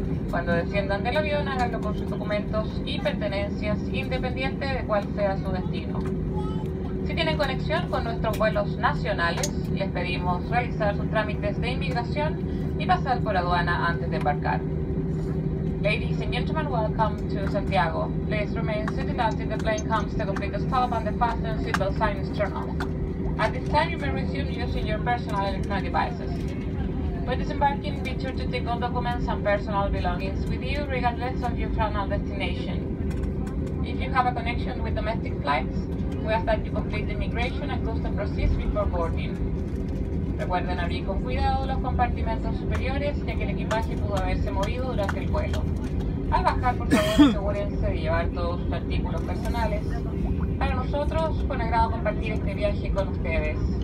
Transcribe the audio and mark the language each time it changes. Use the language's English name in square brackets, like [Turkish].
[Spanish] Cuando desciendan del avión, háganlo con sus documentos y pertenencias, independiente de cuál sea su destino. Si tienen conexión con nuestros vuelos nacionales, les pedimos realizar sus trámites de inmigración y pasar por aduana antes de embarcar. [English] Ladies and gentlemen, welcome to Santiago. Please remain seated until the plane comes to complete the stop and the fasten seatbelt sign is turned on. At this time, you may resume using your personal electronic devices. When disembarking, be sure to take all documents and personal belongings with you, regardless of your final destination. If you have a connection with domestic flights, we ask that you complete the immigration and custom process before boarding. [Spanish] Recuerden abrir con cuidado los compartimentos superiores, ya que el equipaje pudo haberse movido durante el vuelo. Al bajar, por favor, asegúrense de llevar todos sus artículos personales. Para nosotros, fue un agrado compartir este viaje con ustedes.